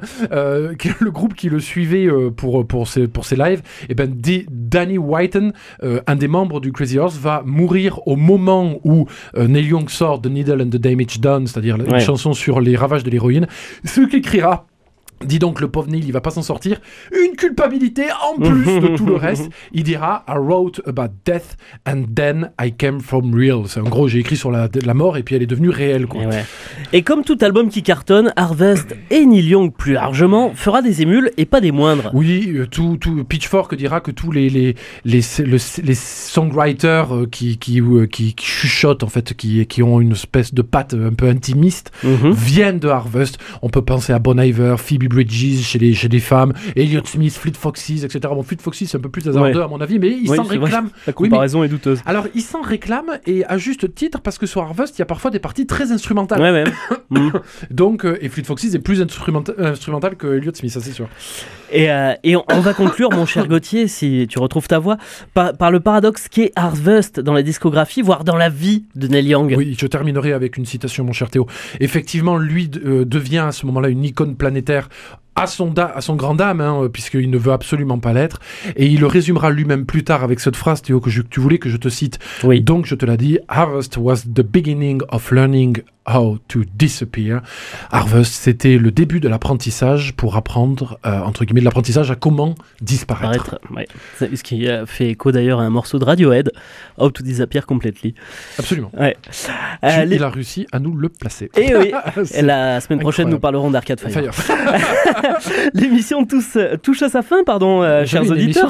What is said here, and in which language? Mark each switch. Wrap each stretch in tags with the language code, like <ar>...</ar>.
<fr>Le groupe qui le suivait pour ses lives, et ben, Danny Whiten, un des membres du Crazy Horse, va mourir au moment où Neil Young sort The Needle and the Damage Done, c'est-à-dire une chanson sur les ravages de l'héroïne, ce qui criera. Dis donc, le pauvre Neil, il va pas s'en sortir. Une culpabilité en plus de tout le reste. Il dira</fr> <en>« I wrote about death and then I came from real ».</en> <fr>En gros, j'ai écrit sur la mort et puis elle est devenue réelle. Quoi. Et comme tout album qui cartonne, Harvest et Neil Young plus largement fera des émules et pas des moindres. Oui, tout Pitchfork dira que tous les songwriters qui chuchotent, en fait, qui ont une espèce de patte un peu intimiste, viennent de Harvest. On peut penser à Bon Iver, Phoebe Bridges chez les femmes, Elliot Smith, Fleet Foxes, etc. Bon, Fleet Foxes, c'est un peu plus hasardeux, à mon avis, mais il s'en réclame. La comparaison est douteuse. Alors, il s'en réclame, et à juste titre, parce que sur Harvest, il y a parfois des parties très instrumentales. Ouais, même. Donc, et Fleet Foxes est plus instrumental que Elliot Smith, ça c'est sûr. Et on va conclure, mon cher Gauthier, si tu retrouves ta voix, par le paradoxe qu'est Harvest dans la discographie, voire dans la vie de Neil Young. Oui, je terminerai avec une citation, mon cher Théo. Effectivement, lui devient à ce moment-là une icône planétaire à son grand âme, hein, puisqu'il ne veut absolument pas l'être. Et il le résumera lui-même plus tard avec cette phrase, Théo, que tu voulais que je te cite. Oui. Donc, je te l'ai dit,</fr> <en>Harvest was the beginning of learning how to disappear.</en> <fr>Harvest, c'était le début de l'apprentissage pour apprendre, entre guillemets, de l'apprentissage à comment disparaître. Ouais. Ce qui fait écho d'ailleurs à un morceau de Radiohead, How to Disappear Completely. Absolument. Ouais. Il a réussi à nous le placer. Et oui, et la semaine prochaine, incroyable. Nous parlerons d'Arcade Fire. L'émission touche à sa fin, chers auditeurs.</fr>